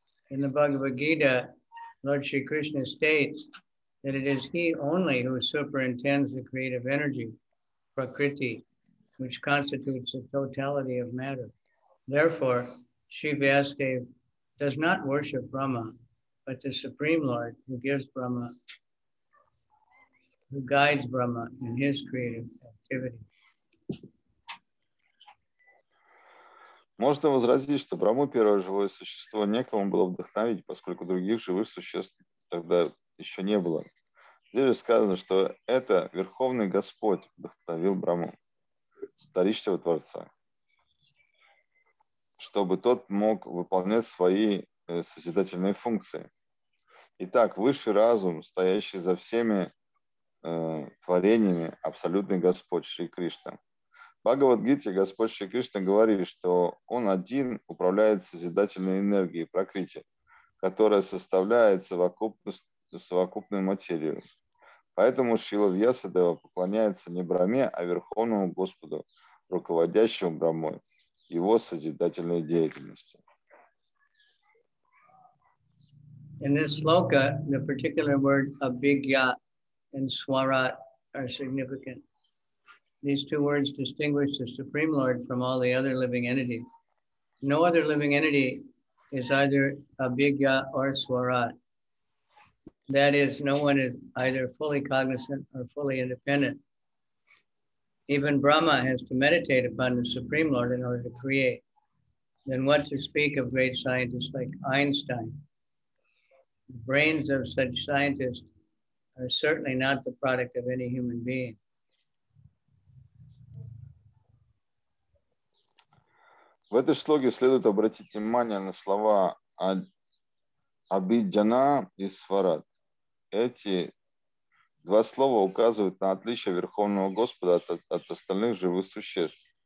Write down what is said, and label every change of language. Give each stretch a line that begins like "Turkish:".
English: In the Bhagavad Gita, Lord Sri Krishna states that it is he only who superintends the creative energy, Prakriti, which constitutes the totality of matter. Therefore, Sri Vyasadeva does not worship Brahma, but the Supreme Lord who gives Brahma, who guides Brahma in his creative activity.
Russian: Можно возразить, что Брахму первое живое существо некому было вдохновить, поскольку других живых существ тогда еще не было. Здесь сказано, что это Верховный Господь вдохновил Брахму, вторичного Творца, чтобы тот мог выполнять свои созидательные функции. Итак, высший разум, стоящий за всеми творениями, абсолютный Господь Шри Кришна. В Бхагавад-гите Господь Шри Кришна говорит, что Он один управляет созидательной энергией, Пракрити, которая составляет совокупную материю. Поэтому Шрила Вьясадева поклоняется не Брахме, а Верховному Господу, руководящему Брахмой, его созидательной деятельности.
English: In this sloka, the particular word abhigya and swarat are significant. These two words distinguish the Supreme Lord from all the other living entities. No other living entity is either abhigya or swarat. That is, no one is either fully cognizant or fully independent. Even Brahma has to meditate upon the Supreme Lord in order to create. Then what to speak of great scientists like Einstein? The brains of such scientists are certainly not the product of any human being.
Russian: В этой шлоке следует обратить внимание на слова Абиджана и Сварат. Эти Два слова указывают на отличие Верховного Господа от остальных живых существ.